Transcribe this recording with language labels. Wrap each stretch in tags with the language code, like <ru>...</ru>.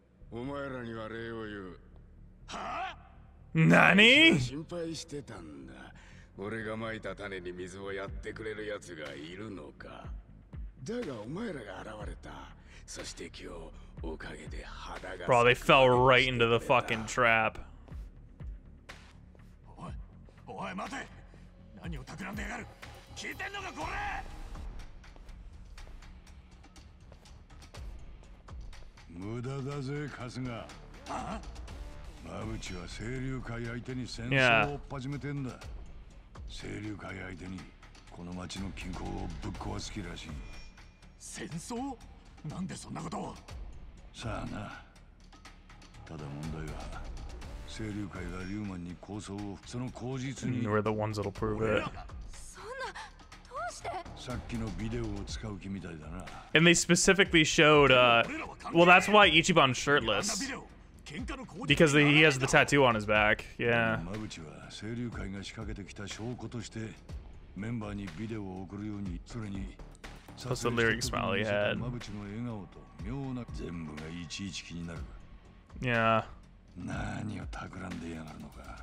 <ja>お前らには礼を言う。はあ？何？心配してたんだ。俺が撒いた種に水をやってくれる奴がいるのか。だがお前らが現れた。そして今日おかげで肌が。</ja> <en>Bro, they fell right into the fucking trap.</en> <ja>おい待て。何を企んでやがる？聞いてんのかこれ！無駄だぜ、カスガ。あ？マブチは清流会相手に戦争を始めてんだ。清流会相手にこの町の均衡をぶっ壊す気らしい。戦争？なんでそんなことを？さあな。ただ問題は。清流会がリューマンに構想をその口実に</ja> <en>We're the ones that'll prove it.</en> <ja>そんな、どうして？さっきのビデオを使う気みたいだな。</ja> <en>And they specifically showed, well, that's why Ichiban's shirtless. Because he has the tattoo on his back. Yeah.</en> <ja>マブチは清流会が仕掛けてきた証拠としてメンバーにビデオを送るように、それに撮影した時に見せたマブチの笑顔と妙な全部がいちいち気になる。</ja> <en>Yeah.</en> <ja>何を企んでやがるのか。</ja>